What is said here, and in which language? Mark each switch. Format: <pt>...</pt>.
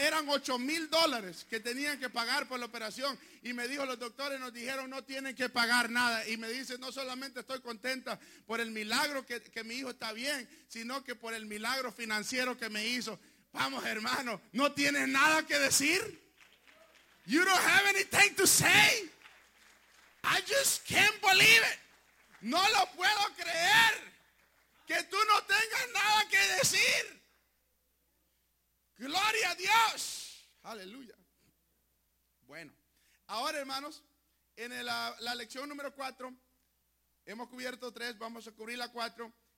<es>Eran $8,000 que tenían que pagar por la operación. Y me dijo, los doctores nos dijeron, no tienen que pagar nada. Y me dice, no solamente estoy contenta por el milagro que mi hijo está bien, sino que por el milagro financiero que me hizo. Vamos, hermano, ¿no tienes nada que decir?</es> <en>You don't have anything to say. I just can't believe it.</en> <es>No lo puedo creer que tú no tengas nada que decir. ¡Gloria a Dios! ¡Aleluya! Bueno, ahora hermanos, en la lección número 4, hemos cubierto 3, vamos a cubrir la 4.</es>